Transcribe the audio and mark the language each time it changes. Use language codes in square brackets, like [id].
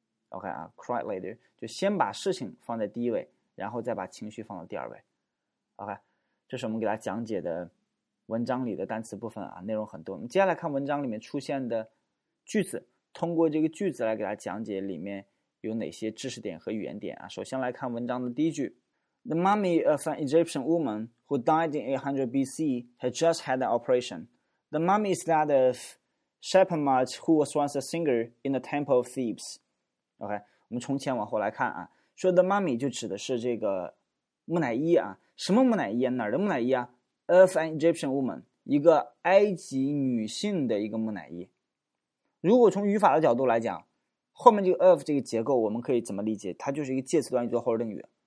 [zh] Okay, [en] cry later, [zh] 就先把事情放在第一位，然后再把情绪放到第二位。 Okay, 这是我们给大家讲解的。文章里的单词部分啊，内容很多，我们接下来看文章里面出现的句子，通过这个句子来给大家讲解里面有哪些知识点和语言点啊。 [en] 首先来看文章的第一句， The mummy of an Egyptian woman who died in 800 BC had just had an operation. The mummy is that of Shepamat, who was once a singer in the temple of Thebes. [zh] OK， 我们从前往后来看啊，说 [en] the mummy [zh] 就指的是这个木乃伊啊，什么木乃伊啊，哪儿的木乃伊啊， [en] Of an Egyptian woman， [zh] 一个埃及女性的一个木乃伊。如果从语法的角度来讲，后面这个 of 这个结构我们可以怎么理解，它就是一个介词短语做后置定语。